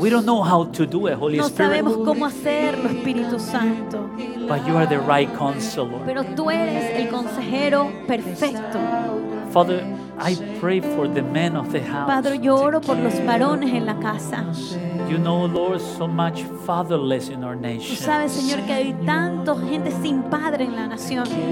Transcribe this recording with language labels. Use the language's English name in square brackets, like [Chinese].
[English] We don't know how to do it, Holy Spirit. [Spanish] No sabemos cómo hacerlo, Espíritu Santo. [English] But you are the right counselor. [Spanish] Pero tú eres el consejero perfecto. [English] Father, I pray for the men of the house. [Spanish] Padre, yo oro por los varones en la casa. [English] You know, Lord, so much fatherless in our nation. [Spanish] Sabes, Señor, que hay tanto gente sin padre en la nación.